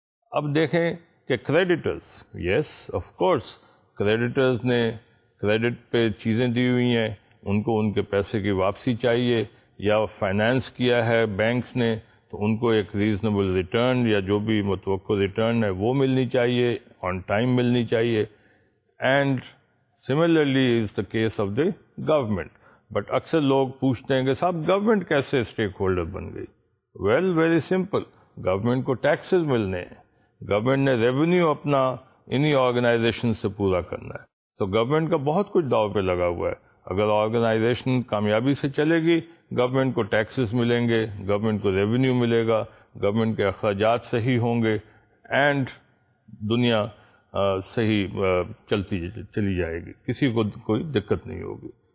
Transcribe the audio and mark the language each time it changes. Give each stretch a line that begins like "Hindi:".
Urdu: اب دیکھیں کہ creditors,
English: yes of course
Urdu: creditors نے کریڈٹ پہ چیزیں دی ہوئی ہیں, ان کو ان کے پیسے کی واپسی چاہیے, یا فائنانس کیا ہے بینکس نے تو ان کو ایک ریزنیبل ریٹرن یا جو بھی متوقع ریٹرن ہے وہ ملنی چاہیے, آن ٹائم ملنی چاہیے.
English: And similarly is the case of the government.
Urdu: But اکثر لوگ پوچھتے ہیں کہ صاحب گورنمنٹ کیسے اسٹیک ہولڈر بن گئی.
English: well very simple,
Urdu: گورنمنٹ کو ٹیکسز ملنے ہیں, گورنمنٹ نے ریونیو اپنا انہی آرگنائزیشن سے پورا کرنا ہے. تو گورنمنٹ کا بہت کچھ داؤ پہ لگا ہوا ہے. اگر آرگنائزیشن کامیابی سے چلے گی گورنمنٹ کو ٹیکسز ملیں گے, گورنمنٹ کو ریونیو ملے گا, گورنمنٹ کے اخراجات صحیح ہوں گے اینڈ دنیا صحیح چلی جائے گی, کسی کو کوئی دقت نہیں ہوگی.